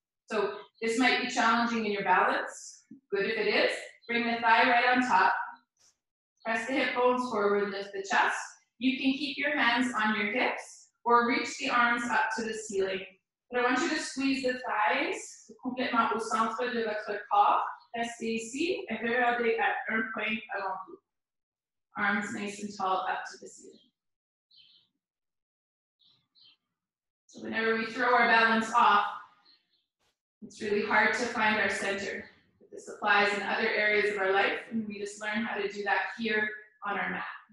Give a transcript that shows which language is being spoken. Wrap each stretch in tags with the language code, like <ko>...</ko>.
<en>So this might be challenging in your balance. Good if it is. Bring the thigh right on top. Press the hip bones forward, lift the chest. You can keep your hands on your hips or reach the arms up to the ceiling. But I want you to squeeze the thighs</en> <fr>complètement au centre de votre corps. Restez ici et regardez à un point avant vous.</fr> <en>Arms nice and tall up to the ceiling. So whenever we throw our balance off, it's really hard to find our center. This applies in other areas of our life, and we just learn how to do that here on our mat.</en>